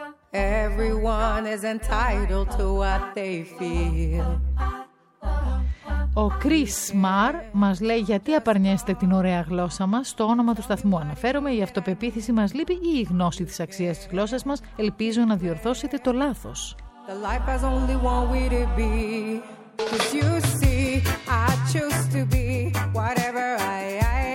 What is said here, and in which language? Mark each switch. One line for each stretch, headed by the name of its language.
English: Everyone is entitled to what they feel.
Greek: Ο Chris Marr μας λέει, γιατί απαρνιέστε την ωραία γλώσσα μας. Στο όνομα του σταθμού αναφέρομαι, η αυτοπεποίθηση μας λείπει ή η γνώση της αξίας της γλώσσας μας. Ελπίζω να διορθώσετε το λάθος.
English: The life has only one way to be. Cause you see, I choose to be whatever I am.